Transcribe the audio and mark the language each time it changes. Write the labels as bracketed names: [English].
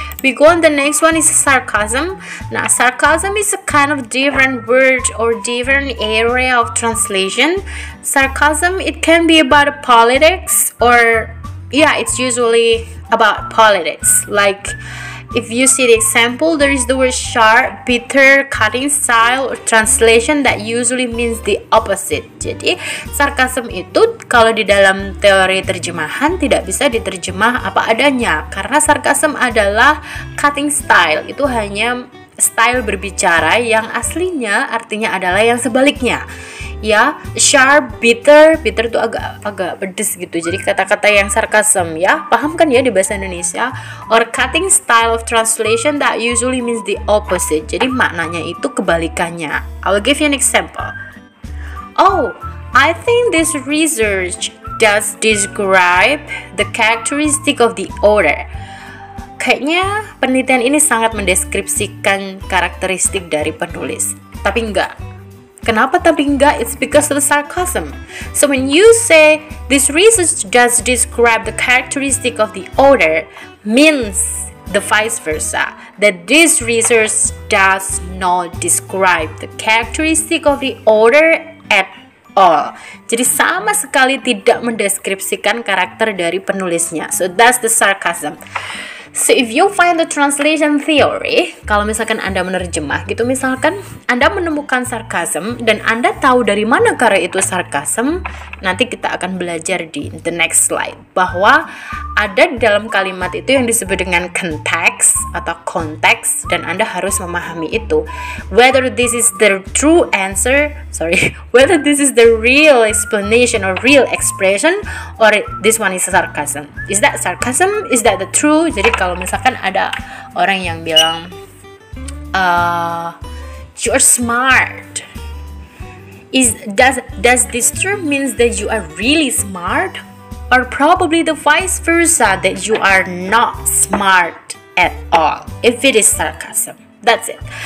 [English] We go on the next one is sarcasm. Now, sarcasm is a kind of different word or different area of translation. Sarcasm, it can be about politics or, yeah, it's usually about politics. Like, if you see the example, there is the word sharp, bitter, cutting style, or translation that usually means the opposite. [Indonesian] Jadi, sarkasm itu kalau di dalam teori terjemahan tidak bisa diterjemah apa adanya. Karena sarkasm adalah cutting style. Itu hanya style berbicara yang aslinya artinya adalah yang sebaliknya. Ya, sharp, bitter. Bitter itu agak pedes gitu. Jadi kata-kata yang sarcasm, ya. Paham kan ya di bahasa Indonesia? [English] Or cutting style of translation that usually means the opposite. [Indonesian] Jadi maknanya itu kebalikannya. [English] I will give you an example. Oh, I think this research does describe the characteristic of the order. [Indonesian] Kayaknya penelitian ini sangat mendeskripsikan karakteristik dari penulis. Tapi enggak. Kenapa tapi enggak? [English] It's because of the sarcasm. So when you say this research does describe the characteristic of the order, means the vice versa, that this research does not describe the characteristic of the order at all. [Indonesian] Jadi sama sekali tidak mendeskripsikan karakter dari penulisnya. [English] So that's the sarcasm. So if you find the translation theory, [Indonesian] kalau misalkan Anda menerjemah gitu, misalkan Anda menemukan sarcasm dan Anda tahu dari mana karya itu sarcasm, nanti kita akan belajar di [English] the next slide [Indonesian] bahwa ada di dalam kalimat itu yang disebut dengan context atau konteks dan Anda harus memahami itu. [English] Whether this is the true answer, sorry, whether this is the real explanation or real expression or this one is sarcasm. Is that sarcasm? Is that the true? [Indonesian] Jadi kalau misalkan ada orang yang bilang [English] you're smart, does this term means that you are really smart or probably the vice versa, that you are not smart at all, if it is sarcasm. That's it.